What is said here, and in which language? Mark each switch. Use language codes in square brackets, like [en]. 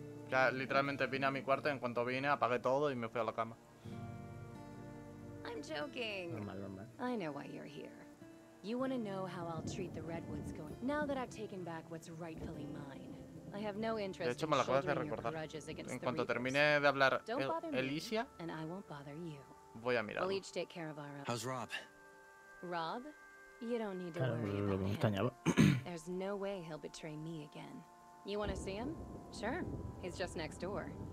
[es] Ya literalmente vine a mi cuarto y en cuanto vine apagué todo y me fui a la cama. [en] I'm joking. Normal. I know why you're here. You want to know how I'll treat the redwoods going now that I've taken back what's rightfully mine. I have no interest. [es] De hecho, me lo acabas de recordar. En cuanto termine de hablar Elysia, voy a mirarlo. [en] We'll each take care of our own. How's Rob? Rob? You don't need to worry about him. There's no way he'll betray me again. You want to see him? Sure. He's just next door.